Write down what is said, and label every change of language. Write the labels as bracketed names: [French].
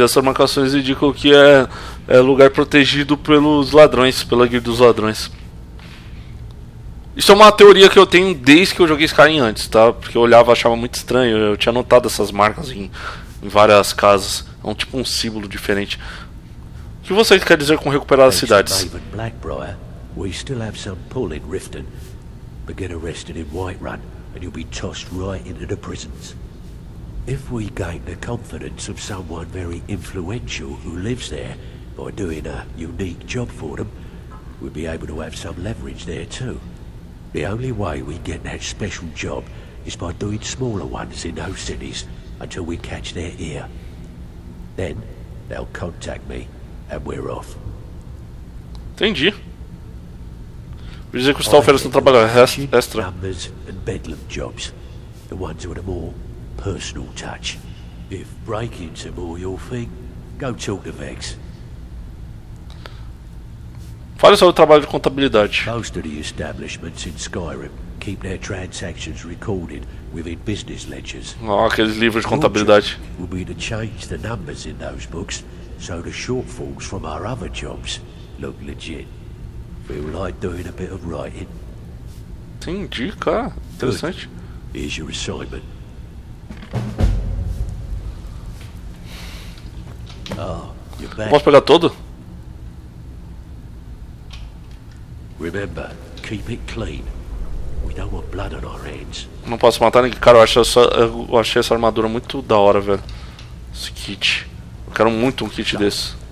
[Portuguese] Essas marcações indicam que é lugar protegido pelos ladrões, pela guilda dos ladrões. Isso é uma teoria que eu tenho desde que eu joguei Skyrim antes, tá? Porque eu olhava e achava muito estranho. Eu tinha notado essas marcas em várias casas. É um tipo um símbolo diferente. O que você quer dizer com recuperar as cidades? [English] David Blackbriar, we still have some pull in Riften. But get arrested in Whiterun and you'll be tossed right into the prisons. If we gain the confidence of someone very influential who lives there by doing a unique job for them, we'll be able to have some leverage there too. The only way we get that special job is by doing smaller ones in those cities until we catch their ear. Then they'll contact me and we're off. [Portuguese] Entendi. Vou dizer que o Stalfer está trabalhando extra. [English] Numbers and bedlam jobs. The ones with a more personal touch. If break-ins are more your thing, go talk to Vex. [Portuguese] Fale sobre o trabalho de contabilidade. [English] Most of the establishments in Skyrim keep their transactions recorded within business ledgers. [Portuguese] Oh, aqueles livros de contabilidade. [English] Would be to change the numbers in those books so the shortfalls from our other jobs look legit. Feel like doing a bit of writing? [Portuguese] Entendi, cara. Interessante. [English] Good. Here's your assignment. Oh, you're back. [Portuguese] Posso pegar todo? [English] Remember, keep it clean. We don't want blood on our hands. [Portuguese] Não posso matar ninguém. Cara, eu achei essa armadura muito da hora, velho. Esse kit. Eu quero muito um kit desse.